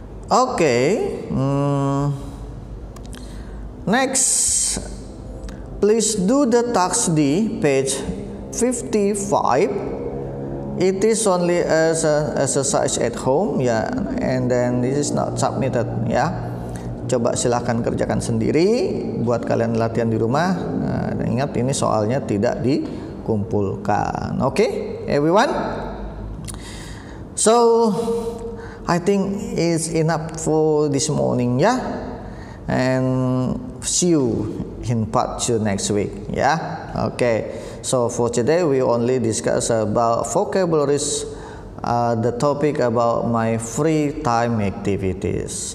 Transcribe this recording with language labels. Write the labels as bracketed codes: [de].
[en] Okay, next, please do the task D, page 55. It is only as an exercise at home, yeah, and then this is not submitted, yeah. [id] Coba silakan kerjakan sendiri buat kalian latihan di rumah. Nah, ingat ini soalnya tidak dikumpulkan. [en] Okay, everyone. So, I think it's enough for this morning, yeah. And see you in part 2 next week, yeah. Okay. So for today, we only discuss about vocabularies, the topic about my free time activities.